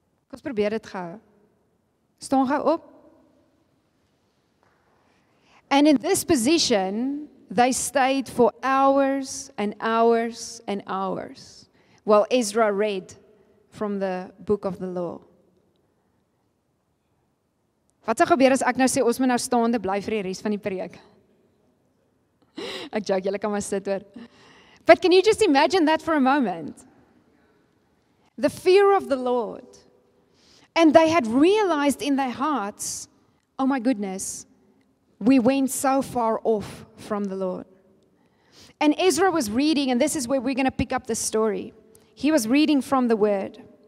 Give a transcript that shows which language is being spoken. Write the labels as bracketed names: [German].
[Afrikaans] Kom, probeer dit gou. Staan gou op. [English] And in this position, they stayed for hours and hours and hours while Ezra read from the book of the law. [Afrikaans] Wat sal gebeur as ek nou sê ons moet nou staande bly vir die res van die preek? Ek joke, julle kan maar sit hoor. [English] But can you just imagine that for a moment? The fear of the Lord. And they had realized in their hearts, oh my goodness, we went so far off from the Lord. And Ezra was reading, and this is where we're going to pick up the story. He was reading from the word.